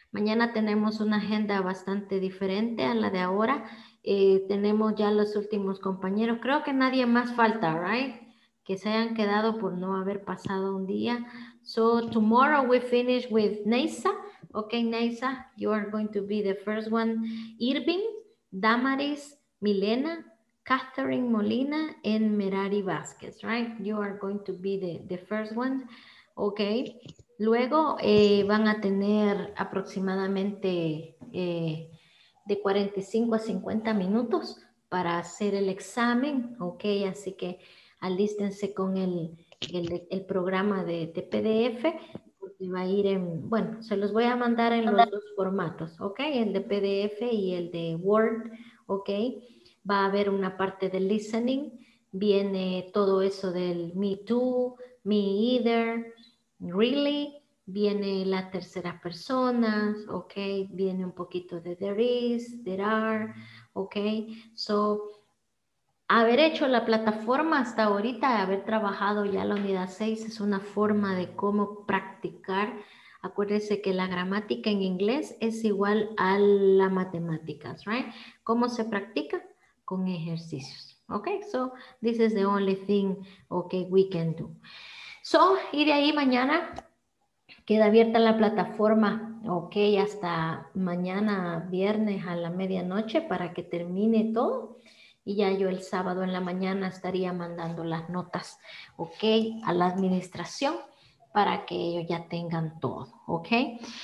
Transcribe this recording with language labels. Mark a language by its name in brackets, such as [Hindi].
[Spanish] Mañana tenemos una agenda bastante diferente a la de ahora. Tenemos ya los últimos compañeros. Creo que nadie más falta, right? Que se hayan quedado por no haber pasado un día. [English] So tomorrow we finish with Neysa. Okay, Neysa, you are going to be the first one. Irving, Damaris, Milena, Catherine Molina, and Merari Vázquez, right? You are going to be the first one. Okay. [Spanish] Luego van a tener aproximadamente de 45 a 50 minutos para hacer el examen, ok, así que alístense con el programa de PDF, porque va a ir en, bueno, se los voy a mandar en los dos formatos, ok, el de PDF y el de Word, ok, va a haber una parte de listening, viene todo eso del Me Too, me either, really, viene la tercera persona, ok, viene un poquito de there is, there are, ok, so, haber hecho la plataforma hasta ahorita, haber trabajado ya la unidad 6, es una forma de cómo practicar. Acuérdense que la gramática en inglés es igual a la matemática, right? ¿Cómo se practica? Con ejercicios. [English] Okay, so this is the only thing okay we can do. [Spanish] So, y de ahí mañana queda abierta la plataforma, okay, hasta mañana viernes a la medianoche para que termine todo. Y ya yo el sábado en la mañana estaría mandando las notas, okay, a la administración para que ellos ya tengan todo, okay.